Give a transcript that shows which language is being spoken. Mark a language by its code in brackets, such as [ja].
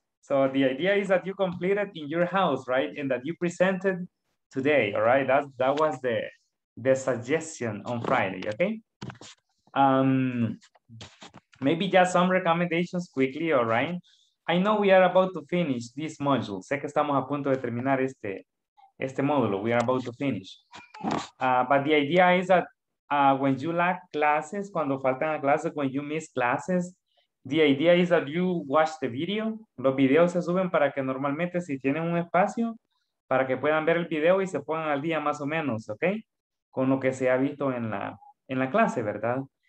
[en] So the idea is that you completed in your house, right? And that you presented today. All right. That was the suggestion on Friday. Okay. Maybe just some recommendations quickly. All right. I know we are about to finish this module. [es] Sé que estamos a punto de terminar este módulo. [en] We are about to finish. But the idea is that when you lack classes, [es] cuando faltan clases, [en] when you miss classes, the idea is that you watch the video. [es] Los videos se suben para que normalmente si tienen un espacio para que puedan ver el video y se pongan al día más o menos. Okay. Con lo que se ha visto en la clase, ¿verdad?